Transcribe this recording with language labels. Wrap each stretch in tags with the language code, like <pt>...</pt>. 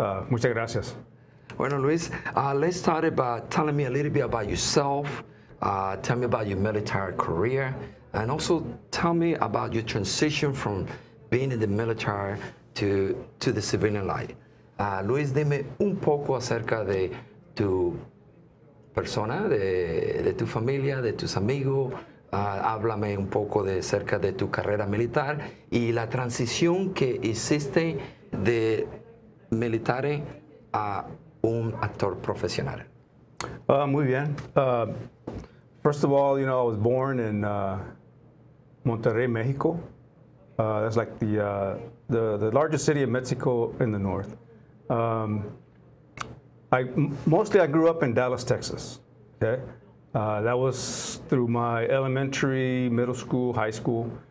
<es>Muchas gracias. Bueno,</es> <en>Luis, let's start by telling me a little bit about yourself. Tell me about your military career. And also tell me about your transition from being in the military to the civilian life.</en> <es>Luis, dime un poco acerca de tu persona, de tu familia, de tus amigos. Háblame un poco de cerca de tu carrera militar y la transición que hiciste de militar a un actor profesional. Muy bien.</es> <en>First of all, you know, I was born in Monterrey, Mexico. That's like the largest city in Mexico in the north. I grew up in Dallas, Texas. Okay. That was through my elementary, middle school, high school.</en>